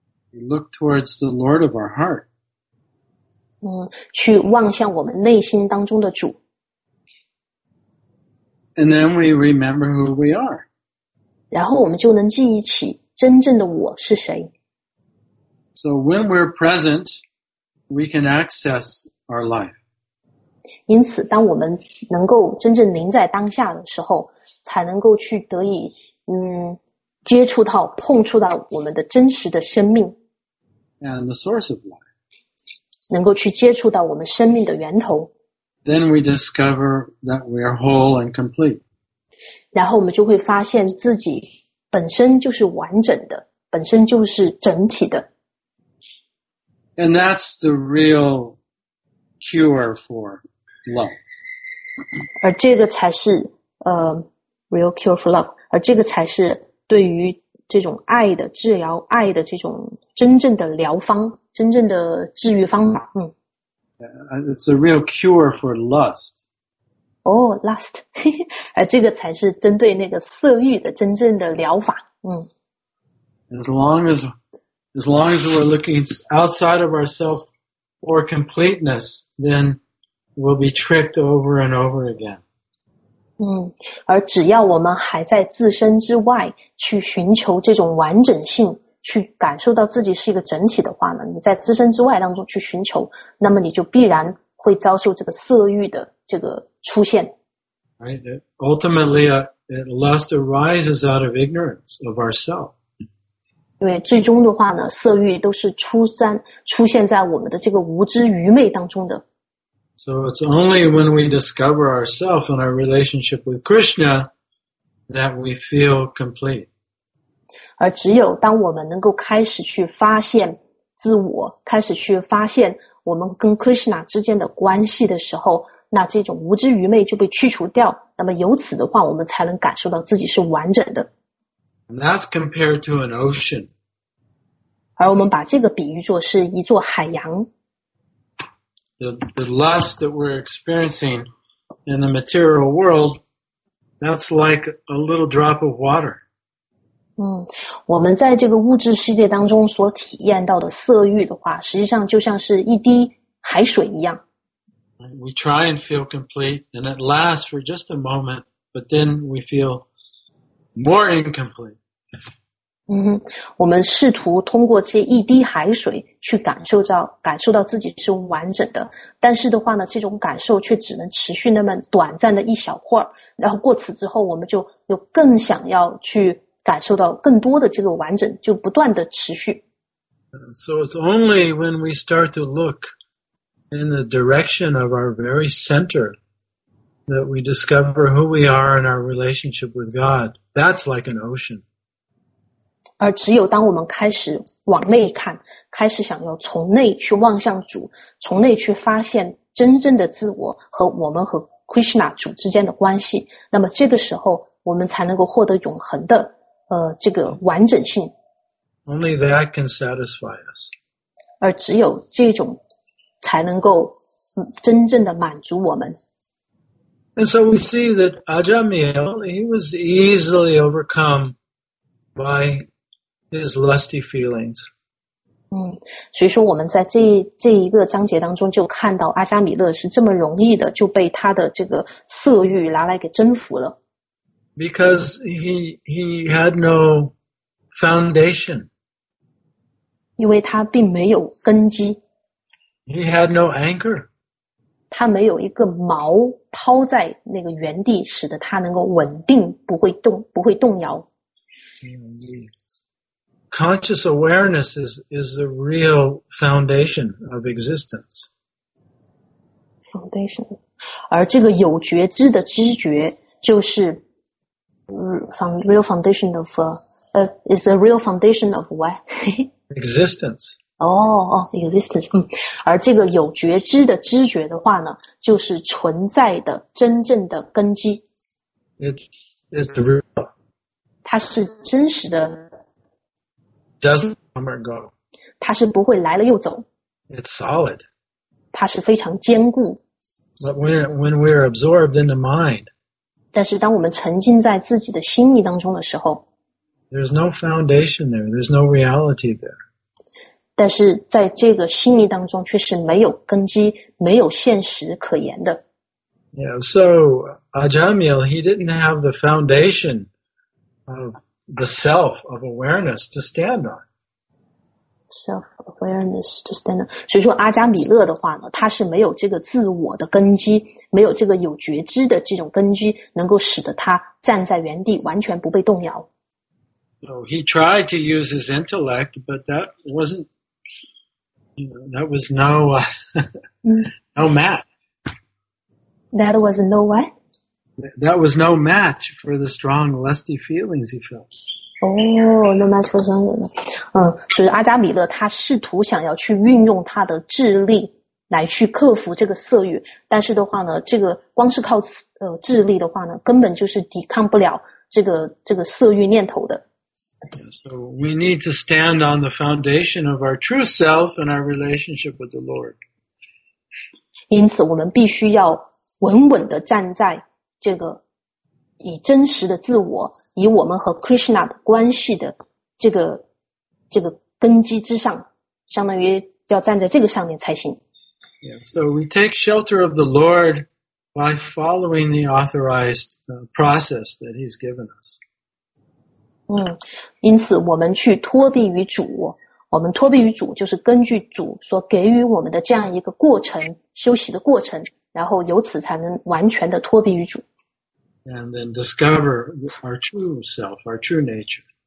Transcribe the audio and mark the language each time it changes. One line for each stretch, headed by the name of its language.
English: We look towards the Lord of our heart.
Chinese: 去望向我们内心当中的主。
English: And then we remember who we are.
Chinese: 然后我们就能记忆起真正的我是谁。
English: So when we're present, we can access our life.
Chinese: 因此当我们能够真正临在当下的时候，才能够去得以接触到碰触到我们的真实的生命。
English: And the source of life.
Chinese: 能够去接触到我们生命的源头。
English: Then we discover that we are whole and complete.
Chinese: 然后我们就会发现自己本身就是完整的，本身就是整体的。
English: And that's the real cure for love.
Chinese: 而这个才是
English: real cure for love.
Chinese: 而这个才是对于这种爱的治疗，爱的这种真正的疗方，真正的治愈方法。嗯。
English: It's a real cure for lust. Oh, lust.
Chinese: 而这个才是针对那个色欲的真正的疗法。嗯。
English: As long as we're looking outside of ourselves for completeness, then we'll be tricked over and over again.
Chinese: 嗯，而只要我们还在自身之外去寻求这种完整性，去感受到自己是一个整体的话呢，你在自身之外当中去寻求，那么你就必然会遭受这个色欲的这个出现。
English: Right. Ultimately, lust arises out of ignorance of ourselves.
Chinese: 因为最终的话呢，色欲都是出现在我们的这个无知愚昧当中的。
English: So it's only when we discover ourselves and our relationship with Krishna that we feel complete.
Chinese: 而只有当我们能够开始去发现自我，开始去发现我们跟 Krishna 之间的关系的时候，那这种无知愚昧就被去除掉。那么由此的话，我们才能感受到自己是完整的。
English: And that's compared to an ocean.
Chinese: 而我们把这个比喻作是一座海洋。
English: The lust that we're experiencing in the material world, that's like a little drop of water.
Chinese: 嗯，我们在这个物质世界当中所体验到的色欲的话，实际上就像是一滴海水一样。
English: We try and feel complete, and it lasts for just a moment, but then we feel more incomplete.
Chinese: 嗯，我们试图通过这一滴海水去感受到自己是完整的，但是的话呢，这种感受却只能持续那么短暂的一小会儿，然后过此之后，我们就又更想要去感受到更多的这个完整，就不断的持续。
English: So it's only when we start to look in the direction of our very center that we discover who we are in our relationship with God. That's like an ocean.
Chinese: 而只有当我们开始往内看，开始想要从内去望向主，从内去发现真正的自我和我们和 Krishna 主之间的关系，那么这个时候我们才能够获得永恒的这个完整性。
English: Only that can satisfy us.
Chinese: 而只有这种才能够真正的满足我们。
English: And so we see that Ajamil, he was easily overcome by his lusty feelings.
Chinese: 嗯，所以说我们在这一个章节当中就看到阿加米勒是这么容易的就被他的这个色欲拿来给征服了。
English: Because he had no foundation.
Chinese: 因为他并没有根基。
English: He had no anchor.
Chinese: 他没有一个锚抛在那个原地，使得他能够稳定，不会动摇。
English: Conscious awareness is the real foundation of existence. Foundation.
Chinese: 而这个有觉知的知觉，就是
English: is the real foundation of what? existence. existence.
Chinese: 而这个有觉知的知觉的话呢，就是存在的真正的根基。
English: It's real.
Chinese: 它是真实的。
English: Doesn't come or go.
Chinese: 它是不会来了又走。
English: It's solid.
Chinese: 它是非常坚固。
English: But when we're absorbed in the mind.
Chinese: 但是当我们沉浸在自己的心意当中的时候。
English: There's no foundation there. There's no reality there.
Chinese: 但是在这个心意当中却是没有根基，没有现实可言的。
English: Yeah, so Ajamil, he didn't have the foundation of the self of awareness to stand on. Self-awareness to stand on.
Chinese: 所以说阿加米勒的话呢，他是没有这个自我的根基，没有这个有觉知的这种根基，能够使得他站在原地，完全不被动摇。
English: So he tried to use his intellect, but that wasn'tthat was no, no match. That was no what? That was no match for the strong lusty feelings he felt. Oh, no match for strong.
Chinese: 所以阿加米勒他试图想要去运用他的智力来去克服这个色欲，但是的话呢，这个光是靠智力的话呢，根本就是抵抗不了这个色欲念头的。
English: So we need to stand on the foundation of our true self and our relationship with the Lord.
Chinese: 因此我们必须要稳稳地站在这个以真实的自我，以我们和 Krishna 的关系的这个根基之上，相当于要站在这个上面才行。
English: Yeah, so we take shelter of the Lord by following the authorized process that he's given us.
Chinese: 因此我们去托庇于主，我们托庇于主就是根据主所给予我们的这样一个过程，休息的过程，然后由此才能完全的托庇于主。
English: And then discover our true self, our true nature.